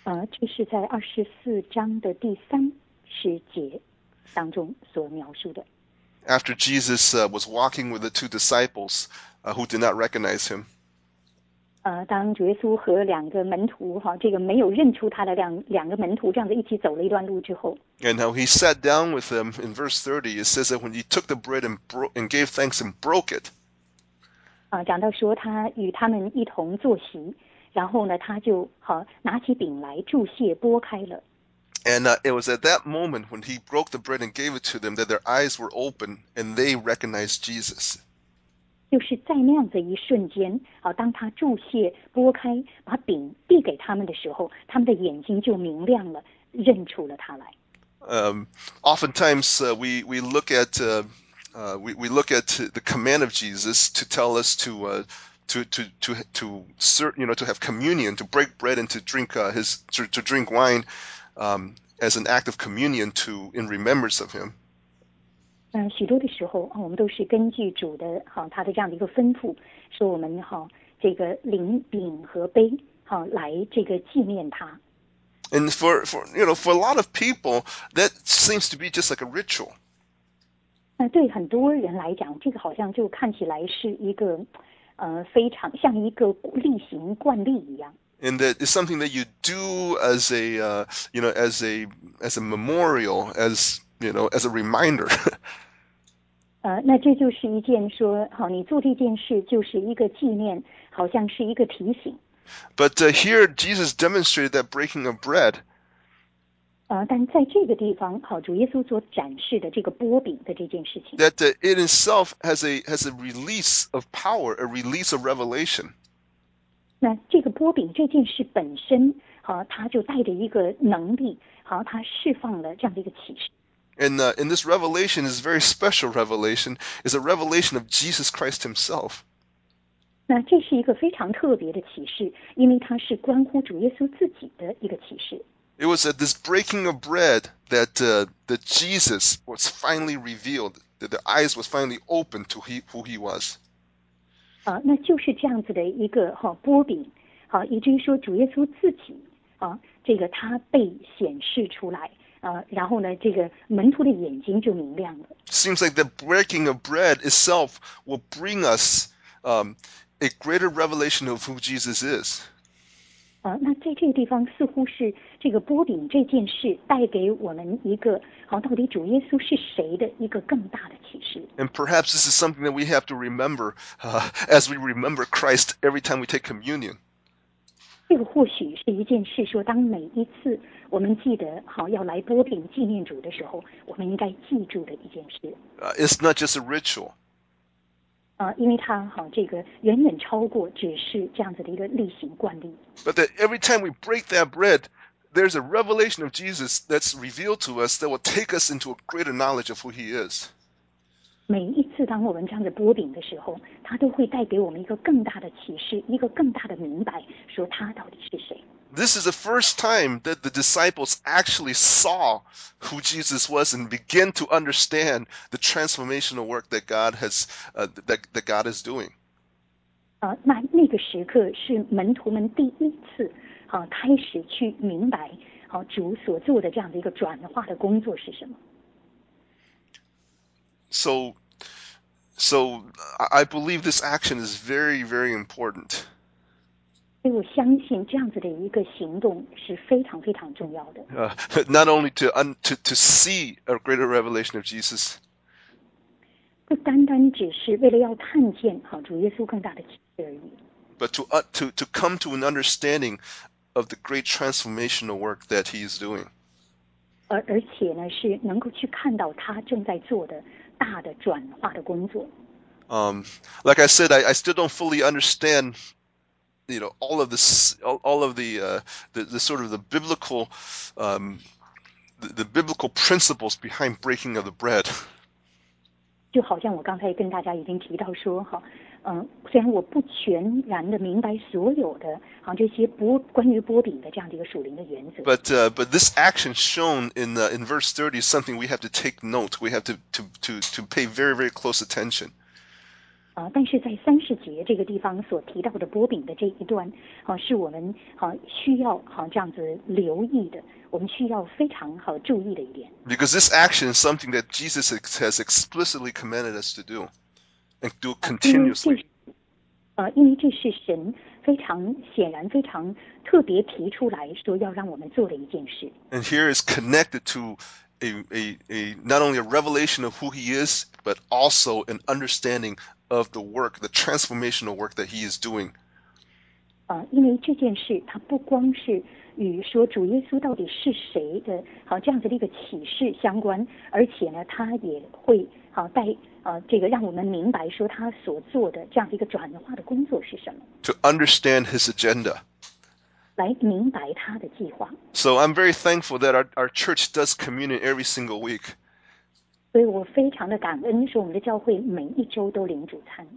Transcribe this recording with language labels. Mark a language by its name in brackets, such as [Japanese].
[Chinese] 这是在24章的第30节当中所描述的。 [English] After Jesus was walking with the two disciples who did not recognize him. [Chinese] 当耶稣和两个门徒这个没有认出他的两个门徒这样子一起走了一段路之后。 [English] And how he sat down with them in verse 30, it says that when he took the bread and gave thanks and broke it. [Chinese] 讲到说他与他们一同坐席。然后呢，他就拿起饼来祝谢，拨开了。 [English] And it was at that moment when he broke the bread and gave it to them that their eyes were open and they recognized Jesus. [Chinese] 就是在那样的一瞬间，当他祝谢、拨开、把饼递给他们的时候，他们的眼睛就明亮了，认出了他来。 [English] Oftentimes we look at the command of Jesus to tell us to have communion, to break bread and to drink drink wine as an act of communion to in remembrance of him. [Chinese] 许多的时候我们都是根据主的他的这样的一个吩咐说我们这个领饼和杯来这个纪念他。 [English] And for a lot of people, that seems to be just like a ritual. [Chinese] 对很多人来讲这个好像就看起来是一个非常像一个例行惯例一样。 [English] And that is something that you do as a, as a memorial, as a reminder. [Chinese] 那这就是一件说，你做这件事就是一个纪念，好像是一个提醒。 [English] But here Jesus demonstrated that breaking of bread. [Chinese] 但在这个地方，主耶稣所展示的这个擘饼的这件事情 [English] ，that it itself has a release of power, a release of revelation. [Chinese] 那这个擘饼这件事本身，它就带着一个能力，它释放了这样的一个启示。 [English] And this revelation is a very special revelation. It's a revelation of Jesus Christ Himself. [Chinese] 那这是一个非常特别的启示，因为它是关乎主耶稣自己的一个启示。 [English] It was at this breaking of bread that that Jesus was finally revealed, that the eyes was finally opened to who he was. [Chinese] 那就是这样子的一个擘饼，以至于说主耶稣自己这个他被显示出来，然后呢，这个门徒的眼睛就明亮了。 [English] Seems like the breaking of bread itself will bring us a greater revelation of who Jesus is. [Chinese] 那在这个地方似乎是这个擘饼这件事带给我们一个到底主耶稣是谁的一个更大的启示。 [English] And perhaps this is something that we have to remember as we remember Christ every time we take communion. [Chinese] 这个或许是一件事说当每一次我们记得要来擘饼纪念主的时候我们应该记住的一件事。 [English] It's not just a ritual. [Chinese] 因为它这个远远超过只是这样子的一个例行惯例。 [English] But that every time we break that bread, there's a revelation of Jesus that's revealed to us that will take us into a greater knowledge of who he is. [Chinese] 每一次当我们这样子擘饼的时候，它都会带给我们一个更大的启示，一个更大的明白，说他到底是谁。 [English] This is the first time that the disciples actually saw who Jesus was and begin to understand the transformational work that God has that God is doing. [Chinese] 那个时刻是门徒们第一次开始去明白主所做的这样的一个转化的工作是什么。 [English] So I believe this action is very very important. [Chinese] 所以我相信这样子的一个行动是非常非常重要的。 [English] Not only to see a greater revelation of Jesus. [Chinese] 不单单只是为了要看见主耶稣更大的启示而已。 [English] But to come to an understanding of the great transformational work that he is doing. [Chinese] 而且呢是能够去看到他正在做的大的转化的工作。 [English] Like I said, I still don't fully understand you know, all of this, all of the sort of the biblical, the biblical principles behind breaking of the bread. [Chinese] 就好像我刚才跟大家已经提到说哈，虽然我不全然的明白所有的，好这些剥关于剥饼的这样的一个属灵的原则。 [English] But this action shown in verse 30 is something we have to take note. We have to pay very very close attention. [Chinese] 但是在三十节这个地方所提到的剥饼的这一段，是我们需要这样子留意的。我们需要非常好注意的一点。 [English] Because this action is something that Jesus has explicitly commanded us to do, and do continuously. [Chinese] 因为这是神非常显然、非常特别提出来说要让我们做的一件事。 [English] And here is connected to a not only a revelation of who He is, but also an understanding of the work, the transformational work that He is doing. [Chinese] 因为这件事它不光是与说主耶稣到底是谁的好这样子的一个启示相关，而且呢，他也会好带这个让我们明白说他所做的这样的一个转化的工作是什么。 [English] To understand his agenda. [Chinese] 来明白他的计划。 [English] So I'm very thankful that our church does communion every single week. [Chinese] 所以我非常的感恩，说我们的教会每一周都领主餐。